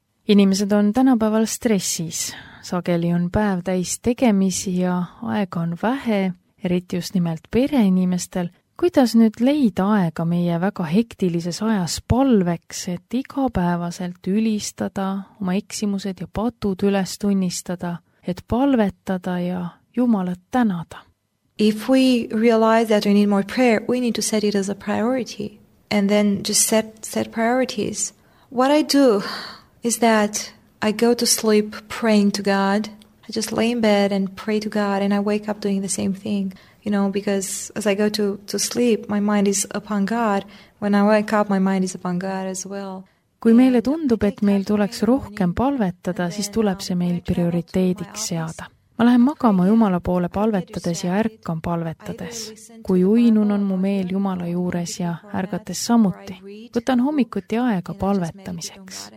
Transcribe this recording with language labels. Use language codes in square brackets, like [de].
[et] Inimesed on tänapäeval stressis. Sageli on päev täis tegemisi ja aega on vähe, eriti just nimelt pereinimestel. Kuidas nüüd leida aega meie väga hektilises ajas palveks, et igapäevaselt ülistada, oma eksimused ja patud üles tunnistada, et palvetada ja Jumalat tänada? [en] If we realize that we need more prayer, we need to set it as a priority and then just set priorities. What I do is that I go to sleep praying to God. I just lay in bed and pray to God and I wake up doing the same thing. You know, because as I go to sleep, my mind is upon God. When I wake up, my mind is upon God as well. [et] Kui meile tundub, et meil tuleks rohkem palvetada, siis tuleb see meil prioriteediks seada. Ma lähen magama Jumala poole palvetades ja ärkan palvetades. Kui uinun on mu meel Jumala juures ja ärgates samuti, võtan hommikuti aega palvetamiseks.